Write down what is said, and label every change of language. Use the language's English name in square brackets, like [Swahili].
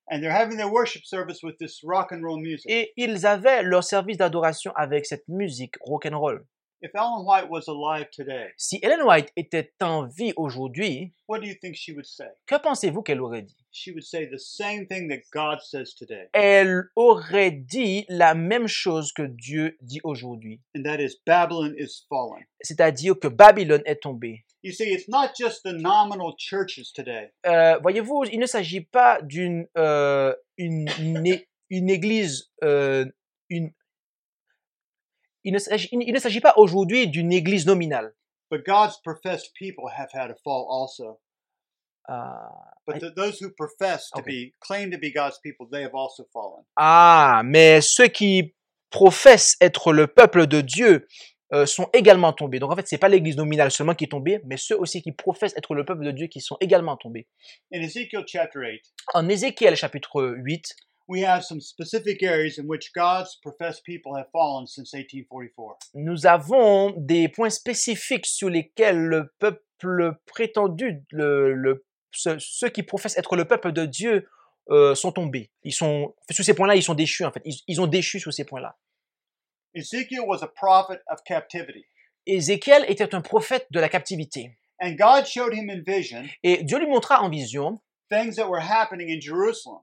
[English] And they're having their worship service with this rock and roll music. [French] Et ils avaient leur service d'adoration avec cette musique rock and roll. [English] If Ellen White was alive today, [French] si Ellen White était en vie aujourd'hui, [English] what do you think she would say? [French] Que pensez-vous qu'elle aurait dit? [English] She would say the same thing that God says today. [French] Elle aurait dit la même chose que Dieu dit aujourd'hui. [English] And that is Babylon is fallen. [French] C'est-à-dire que Babylone est tombée. [English] You see, it's not just the nominal churches today. [French] Voyez-vous, il ne s'agit pas d'une une église une Il ne s'agit pas aujourd'hui d'une église nominale. [English] But God's professed people have had a fall also. Those who profess to be claim to be God's people, they have also fallen. [French] Ah, mais ceux qui professent être le peuple de Dieu sont également tombés. Donc en fait, c'est pas l'église nominale seulement qui est tombée, mais ceux aussi qui professent être le peuple de Dieu qui sont également tombés. [English] In Ezekiel chapter 8. [French] En Ézéchiel chapitre 8. [English] We have some specific areas in which God's professed people have fallen since 1844. [French] Nous avons des points spécifiques sur lesquels le peuple prétendu, ceux qui professent être le peuple de Dieu, sont tombés. Sur ces points-là, ils sont déchus en fait. Ils ont déchu sur ces points-là. [English] Ezekiel was a prophet of captivity. [French] Ézéchiel était un prophète de la captivité. [English] And God showed him in vision. [French] Et Dieu lui montra en vision. [English] Things that were happening in Jerusalem.